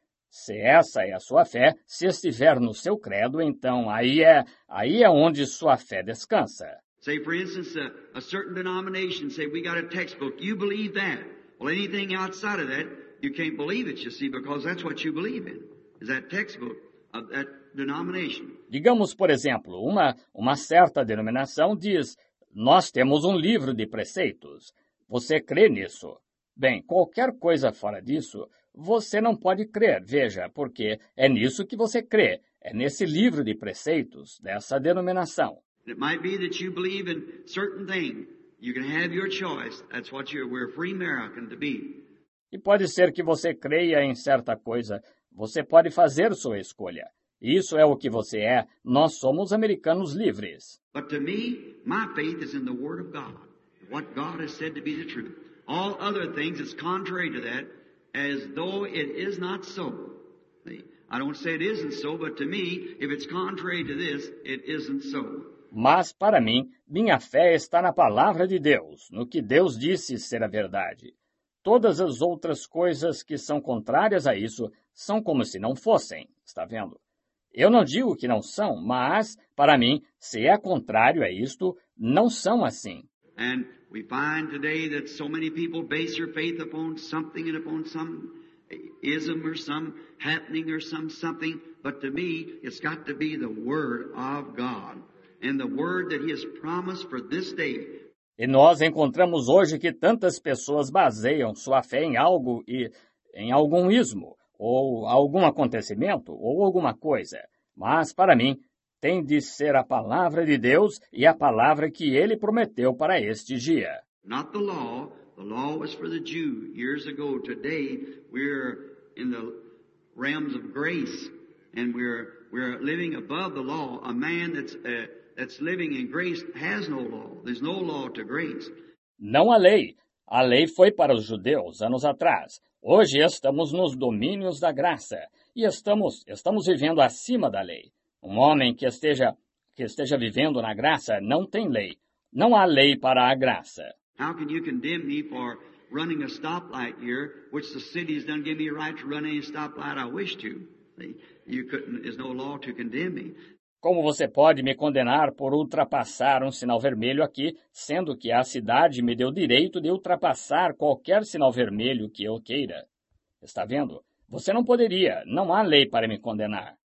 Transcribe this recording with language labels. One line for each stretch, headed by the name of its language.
Portuguese: Se essa é a sua fé, se estiver no seu credo, então aí é onde sua fé descansa.
English: Say, for instance, a certain denomination, say, we got a textbook, you believe that. Well, anything outside of that, you can't believe it, you see, because that's what you believe in, is that textbook of that denomination.
Portuguese: Digamos, por exemplo, uma certa denominação diz, nós temos um livro de preceitos. Você crê nisso? Bem, qualquer coisa fora disso, você não pode crer, veja, porque é nisso que você crê, é nesse livro de preceitos, dessa denominação.
English: It might be that you believe in certain thing. You can have your choice. That's what we're free American to be.
Portuguese: E pode ser que você creia em certa coisa. Você pode fazer sua escolha. Isso é o que você é. Nós somos americanos livres.
English: But to me, my faith is in the Word of God. What God has said to be the truth. All other things is contrary to that, as though it is not so. I don't say it isn't so, but to me, if it's contrary to this, it isn't so.
Portuguese: Mas, para mim, minha fé está na palavra de Deus, no que Deus disse ser a verdade. Todas as outras coisas que são contrárias a isso são como se não fossem, está vendo? Eu não digo que não são, mas, para mim, se é contrário a isto, não são assim.
English: And we find today that so many people base their faith upon something and upon some ism or some happening or some something. But to me, it's got to be the Word of God and the Word that He has promised for this day.
Portuguese: E nós encontramos hoje que tantas pessoas baseiam sua fé em algo e em algum ismo ou algum acontecimento ou alguma coisa. Mas para mim, tem de ser a palavra de Deus e a palavra que Ele prometeu para este dia.
English: not the law. The law was for the Jew years ago. Today, we're in the realms of grace, and we're living above the law. A man that's living in grace has no law. There's no law to grace.
Portuguese: Não há lei. A lei foi para os judeus anos atrás. Hoje estamos nos domínios da graça e estamos vivendo acima da lei. Um homem que esteja vivendo na graça não tem lei. Não há lei para a graça.
English: How can you condemn me for running a stoplight here, which the city has done give me a right to run any stoplight I wish to? You couldn't. There's no law to condemn me.
Portuguese: Como você pode me condenar por ultrapassar um sinal vermelho aqui, sendo que a cidade me deu o direito de ultrapassar qualquer sinal vermelho que eu queira? Está vendo? Você não poderia. Não há lei para me condenar.